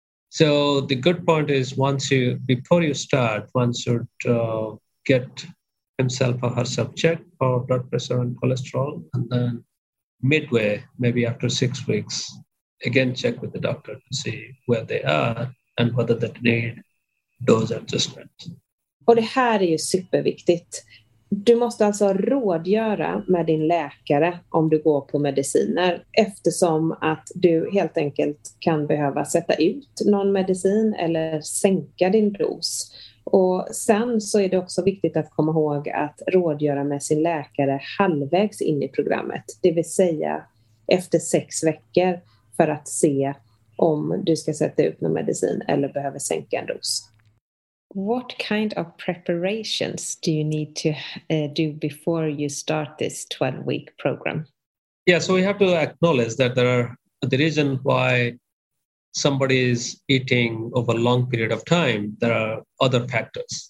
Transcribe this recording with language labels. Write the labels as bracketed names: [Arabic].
[English] So the good point is get himself or herself checked for blood pressure and cholesterol, and then midway, maybe after 6 weeks, again check with the doctor to see where they are and whether they need dose adjustment. [Swedish] Och det här är ju superviktigt. Du måste alltså rådgöra med din läkare om du går på mediciner, eftersom att du helt enkelt kan behöva sätta ut någon medicin eller sänka din dos. Och sen så är det också viktigt att komma ihåg att rådgöra med sin läkare halvvägs in i programmet, det vill säga efter 6 veckor, för att se om du ska sätta ut någon medicin eller behöver sänka en dos. [English] What kind of preparations do you need to do before you start this 12-week program? Yeah, so we have to acknowledge that the reason why somebody is eating over a long period of time, there are other factors.